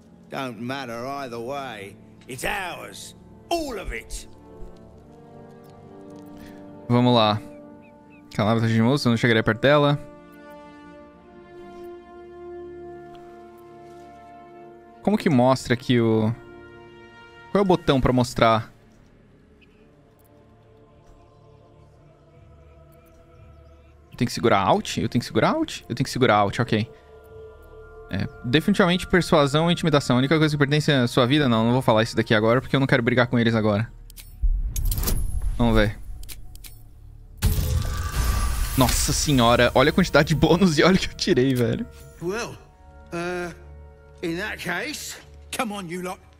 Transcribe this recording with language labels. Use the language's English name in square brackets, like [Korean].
[English] Don't matter either way. It's ours. All of it. [Portuguese] Vamos lá. Calma, tá de moço, eu não chegaria perto dela. Como que mostra aqui o... Qual é o botão pra mostrar? Eu tenho que segurar Alt? Eu tenho que segurar Alt? Eu tenho que segurar Alt, ok. É, definitivamente persuasão e intimidação. A única coisa que pertence à sua vida... Não, não vou falar isso daqui agora, porque eu não quero brigar com eles agora. Vamos ver. Nossa senhora, olha a quantidade de bônus e olha o que eu tirei, velho. [English] Well, in that case, come on, you lot.